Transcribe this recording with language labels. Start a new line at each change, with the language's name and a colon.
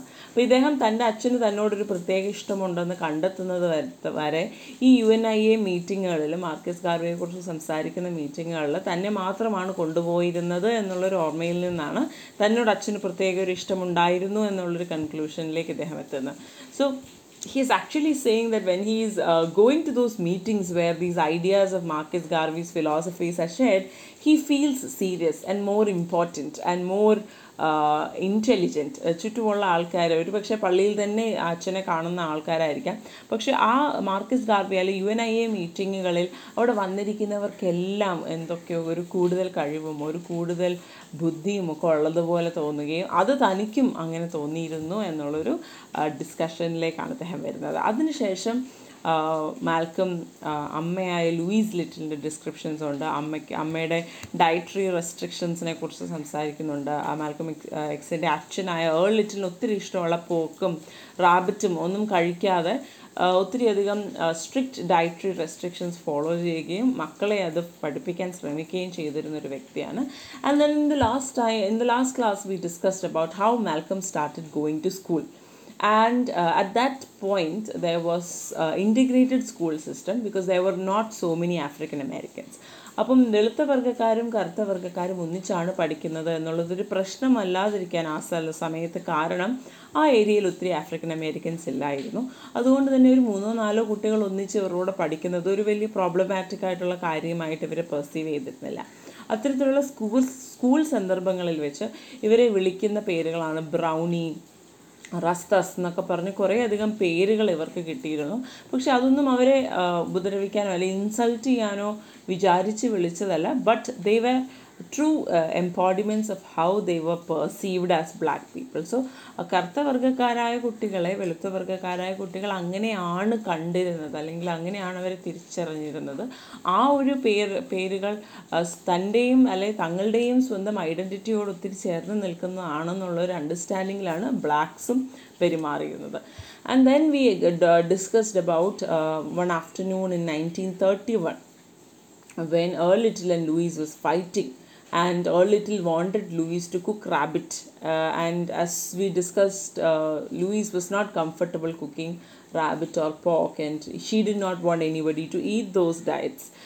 Malayalam: അപ്പോൾ ഇദ്ദേഹം തൻ്റെ അച്ഛന് തന്നോടൊരു പ്രത്യേക ഇഷ്ടമുണ്ടെന്ന് കണ്ടെത്തുന്നത് വരെ ഈ UNIA മീറ്റിങ്ങുകളിൽ, മാർക്കസ് ഗാർവിയെക്കുറിച്ച് സംസാരിക്കുന്ന മീറ്റിങ്ങുകളിൽ തന്നെ മാത്രമാണ് കൊണ്ടുപോയിരുന്നത് എന്നുള്ളൊരു ഓർമ്മയിൽ നിന്നാണ് തന്നോട് അച്ഛന് പ്രത്യേക ഒരു ഇഷ്ടമുണ്ടായിരുന്നു എന്നുള്ളൊരു കൺക്ലൂഷനിലേക്ക് ഇദ്ദേഹം എത്തുന്നത്.
English: So he is actually saying that when he is going to those meetings where these ideas of Marcus Garvey's philosophies are shared, he feels serious and more important and more intelligent.
Malayalam: ചുറ്റുമുള്ള ആൾക്കാർ ഒരു പക്ഷേ പള്ളിയിൽ തന്നെ അച്ഛനെ കാണുന്ന ആൾക്കാരായിരിക്കാം, പക്ഷേ ആ മാർക്കസ് ഗാർവി അല്ലെ UNIA മീറ്റിങ്ങുകളിൽ അവിടെ വന്നിരിക്കുന്നവർക്കെല്ലാം എന്തൊക്കെയോ ഒരു കൂടുതൽ കഴിവും ഒരു കൂടുതൽ ബുദ്ധിയും ഒക്കെ ഉള്ളതുപോലെ തോന്നുകയും അത് തനിക്കും അങ്ങനെ തോന്നിയിരുന്നു എന്നുള്ളൊരു ഡിസ്കഷനിലേക്കാണ് അദ്ദേഹം വരുന്നത്. അതിനുശേഷം മാൽക്കം അമ്മയായ ലൂയിസ് ലിറ്റിലിൻ്റെ ഡിസ്ക്രിപ്ഷൻസ് ഉണ്ട്, അമ്മയ്ക്ക് അമ്മയുടെ ഡയറ്ററി റെസ്ട്രിക്ഷൻസിനെ കുറിച്ച് സംസാരിക്കുന്നുണ്ട്. മാൽക്കം എക്സിൻ്റെ അച്ഛനായ ഏൾ ലിറ്റിലിന് ഒത്തിരി ഇഷ്ടമുള്ള പോക്കും റാബിറ്റും ഒന്നും കഴിക്കാതെ ഒത്തിരിയധികം സ്ട്രിക്റ്റ് ഡയറ്ററി റെസ്ട്രിക്ഷൻസ് ഫോളോ ചെയ്യുകയും മക്കളെ അത് പഠിപ്പിക്കാൻ ശ്രമിക്കുകയും ചെയ്തിരുന്നൊരു വ്യക്തിയാണ്.
English: And then in the last class we discussed about how Malcolm started going to school. And at that point, there was integrated school system because there were not so many African Americans.
Malayalam: അപ്പം വെളുത്ത വർഗ്ഗക്കാരും കറുത്ത വർഗ്ഗക്കാരും ഒന്നിച്ചാണ് പഠിക്കുന്നത് എന്നുള്ളതൊരു പ്രശ്നമല്ലാതിരിക്കാൻ ആ സമയത്ത് കാരണം ആ ഏരിയയിൽ ഒത്തിരി ആഫ്രിക്കൻ അമേരിക്കൻസ് ഇല്ലായിരുന്നു. അതുകൊണ്ട് തന്നെ ഒരു മൂന്നോ നാലോ കുട്ടികൾ ഒന്നിച്ച് ഇവരോട് പഠിക്കുന്നത് ഒരു വലിയ പ്രോബ്ലമാറ്റിക് ആയിട്ടുള്ള കാര്യമായിട്ട് ഇവരെ പെർസീവ് ചെയ്തിരുന്നില്ല. അത്തരത്തിലുള്ള സ്കൂൾ സന്ദർഭങ്ങളിൽ വെച്ച് ഇവരെ വിളിക്കുന്ന പേരുകളാണ് ബ്രൗണി, റസ്തസ് എന്നൊക്കെ പറഞ്ഞ് കുറേയധികം പേരുകൾ ഇവർക്ക് കിട്ടിയിരുന്നു. പക്ഷെ അതൊന്നും അവരെ ഉപദ്രവിക്കാനോ അല്ലെങ്കിൽ ഇൻസൾട്ട് ചെയ്യാനോ വിചാരിച്ച് വിളിച്ചതല്ല.
English: But they were true embodiments of how they were perceived as black people.
Malayalam: So കറുത്ത വർഗ്ഗക്കാരായ കുട്ടികളെ, വെളുത്ത വർഗ്ഗക്കാരായ കുട്ടികൾ അങ്ങനെയാണ് കണ്ടിരുന്നത് അല്ലെങ്കിൽ അങ്ങനെയാണ് അവരെ തിരിച്ചറിഞ്ഞിരുന്നത്. ആ ഒരു പേരുകൾ തൻ്റെയും അല്ലെങ്കിൽ തങ്ങളുടെയും സ്വന്തം ഐഡൻറ്റിറ്റിയോട് ഒത്തിരി ചേർന്ന് നിൽക്കുന്നതാണെന്നുള്ള ഒരു അണ്ടർസ്റ്റാൻഡിങ്ങിലാണ് ബ്ലാക്ക്സും പെരുമാറിയിരുന്നത്.
English: And then we discussed about one afternoon in 1931. When Earl Little and Louis was fighting, and Earl Little wanted Louis to cook rabbit, and as we discussed, Louis was not comfortable cooking rabbit or pork, and she did not want anybody to eat those diets.